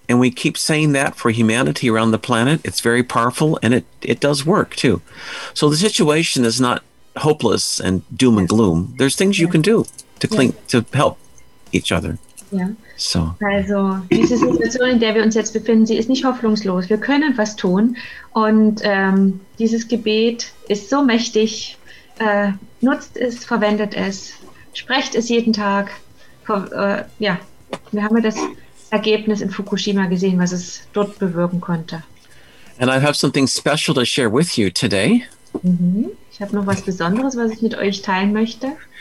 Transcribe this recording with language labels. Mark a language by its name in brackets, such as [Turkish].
[English] And we keep saying that for humanity around the planet. It's very powerful, and it does work too. So the situation is not hopeless and doom and gloom. There's things you can do to cling, to help each other. So. [German] Also, diese Situation, in der wir uns jetzt befinden, sie ist nicht hoffnungslos. Wir können was tun. Und dieses Gebet ist so mächtig. Nutzt es, verwendet es, sprecht es jeden Tag. Wir haben ja das Ergebnis in Fukushima gesehen, was es dort bewirken konnte. [English] And I have something special to share with you today. [German] Ich habe noch was Besonderes, was ich mit euch teilen möchte.